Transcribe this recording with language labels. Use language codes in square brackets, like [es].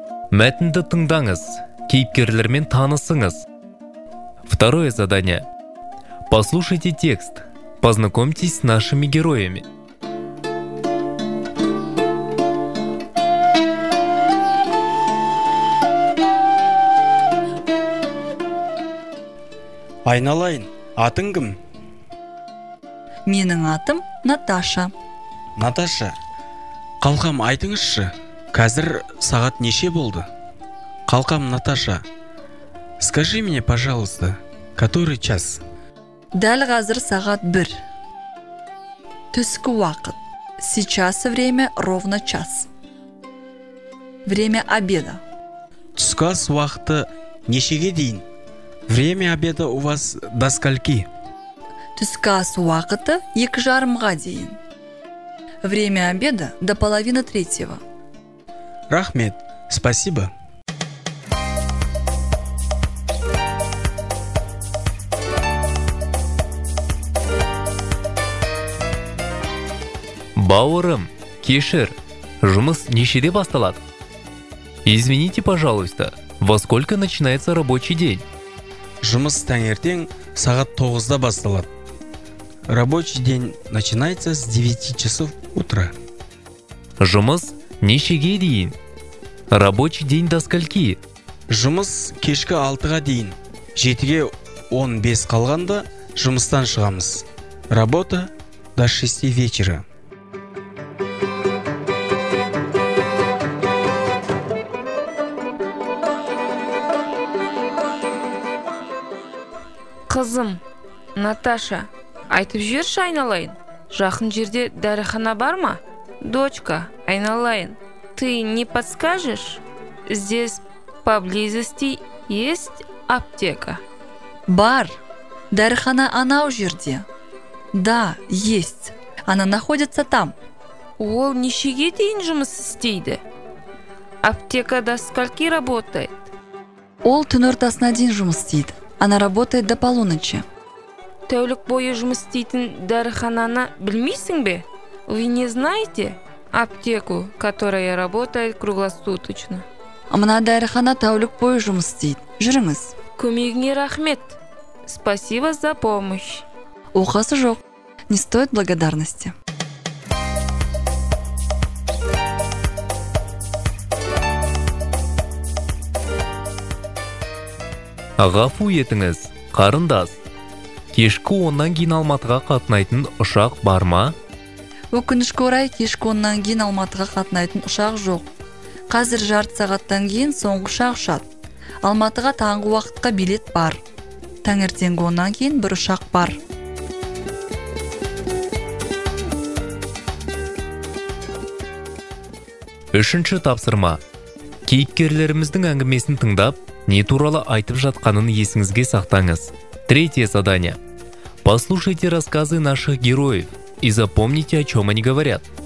[kk] Мәтінді тыңдаңыз, кейіпкерлермен танысыңыз. [ru] Второе задание. Послушайте текст, познакомьтесь с нашими героями. [kk] Айналайын, атың кім? Менің атым Наташа. Наташа, қалқам айтыңызшы, қазір сағат неше болды? [ru] Қалқам Наташа, скажи мне, пожалуйста, который час? [kk] Дәл қазір сағат бір. Түскі уақыт. [ru] Сейчас время ровно час. Время обеда. [kk] Түскі ас уақыты нешеге дейін? [ru] Время обеда у вас до скольки? [kk] Түскі ас уақыты 2:30-ға дейін. [ru] Время обеда до 2:30. [kk] Рахмет, спасибо. Бауырым, кешір, жұмыс нешеде басталады? [ru] Извините, пожалуйста, во сколько начинается рабочий день? [kk] Жұмыс таңертең сағат 9:00-да басталады. [ru] Рабочий день начинается с 9:00 утра. [kk] Жұмыс нешеге дейін? [ru] Рабочий день до скольки? [kk] Жұмыс кешкі 6:00-ға дейін. 7:15 қалғанда жұмыстан шығамыз. [ru] Работа до 6:00 вечера. [kk] Қызым, Наташа, айтып жүрші айналайын, жақын жерде дәріхана бар ма? [ru] Дочка, айналайын, ты не подскажешь? Здесь поблизости есть аптека? [kk] Бар, дәріхана анау жерде. [ru] Да, есть, она находится там. [kk] Ол нешеге дейін жұмыс істейді? [ru] Аптека до скольки работает? [kk] Ол түн ортасына дейін жұмыс істейді. [ru] Она работает до полуночи. [kk] Тәулік бойы жұмыс істейтін дәріхананы білмейсің бе? [ru] Вы не знаете аптеку, которая работает круглосуточно? [kk] Мына дәріхана тәулік бойы жұмыс істейді. Жүріңіз. Көмегіңе рахмет. [ru] Спасибо за помощь. [kk] Оқасы жоқ. [ru] Не стоит благодарности. [kk] Ғафу етіңіз, қарындас. Кешкі оннан кейін Алматыға қатынайтын ұшақ бар ма? Өкінішке орай, кешкі оннан кейін Алматыға қатынайтын ұшақ жоқ. Қазір жарты сағаттан кейін соңғы ұшақ ұшады. Алматыға таңғы уақытқа билет бар. Таңертеңгі оннан кейін бір ұшақ бар. Үшінші тапсырма. Кейіпкерлеріміздің әңгімесін тыңдап, не туралы айтып жатқанын есіңізге сақтаңыз. [ru] Третье задание. Послушайте рассказы наших героев и запомните, о чем они говорят.